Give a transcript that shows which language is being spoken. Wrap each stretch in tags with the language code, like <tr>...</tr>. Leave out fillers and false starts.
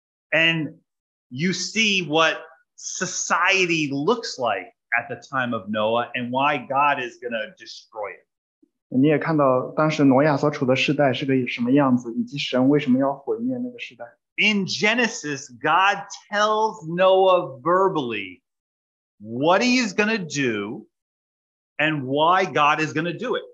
<en>And you see what society looks like at the time of Noah and why God is going to destroy it.</en> <zh>你也看到当时挪亚所处的世代是个什么样子, 以及神为什么要毁灭那个世代。</zh> <en>In Genesis, God tells Noah verbally what he is going to do and why God is going to do it.</en>